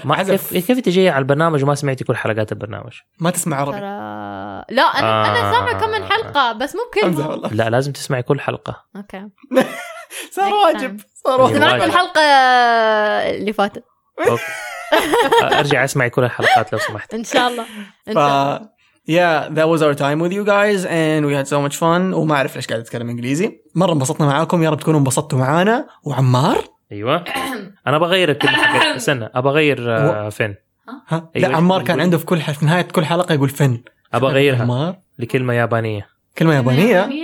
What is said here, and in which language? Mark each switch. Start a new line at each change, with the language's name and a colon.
Arabic: ما حزف كيف تجي على البرنامج وما سمعتي كل حلقات البرنامج ما تسمع عربي لا انا سامع كم من حلقه بس مو كل لا لازم تسمعي كل حلقه اوكي صار واجب صار سمعت الحلقه اللي فاتت ارجع اسمعي كل الحلقات لو سمحت ان شاء الله
English: Yeah, that was our time with you guys and we had so much fun.
Arabic: وما أعرف ليش قاعد أتكلم إنجليزي. مرة انبسطنا معاكم، يا رب تكونوا انبسطتوا معانا. وعمار؟ أيوة. أنا بغير كل حاجة. استنى أبغير فن. لا عمار كان عنده في كل في نهاية كل حلقة يقول فن. أبغيرها. عمار لكلمة يابانية. كلمة يابانية؟